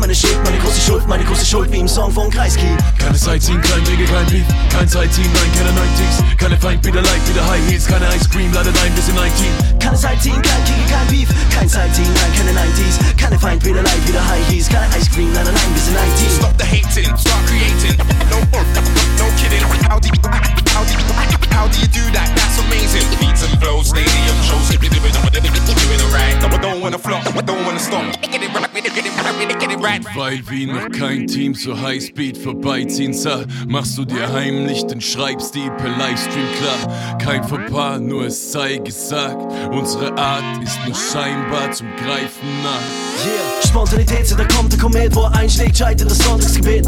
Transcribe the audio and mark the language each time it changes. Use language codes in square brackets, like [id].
[de] Meine große Schuld wie im Song von Kreisky. Keine Sightseeing, kein Regel, kein Beef. Kein Sightseeing, nein, keine 90s. Keine Feind, wieder Light, wieder High Heels. Keine Ice Cream, leider nein, wir sind 19. Keine Sightseeing, kein Kicke, kein Beef. Kein Sightseeing, nein, keine 90s. Keine Feind, wieder Light, wieder High Heels. Keine Ice Cream, leider nein, wir sind 19. [en] Stop the hating, start creating. No more, no kidding. How do you do that? That's amazing. Beats and flows, stadium shows. Doing alright. No, I don't wanna flop, I don't wanna stop. [de] Weil wie noch kein Team so Highspeed vorbeiziehen sah, machst du dir heimlich den Schreibstil per Livestream klar. Kein Fauxpas, nur es sei gesagt, unsere Art ist nur scheinbar zum Greifen nah. Yeah. Spontanität, da kommt der Komet, wo er einschlägt, scheitert das Sonntagsgebet.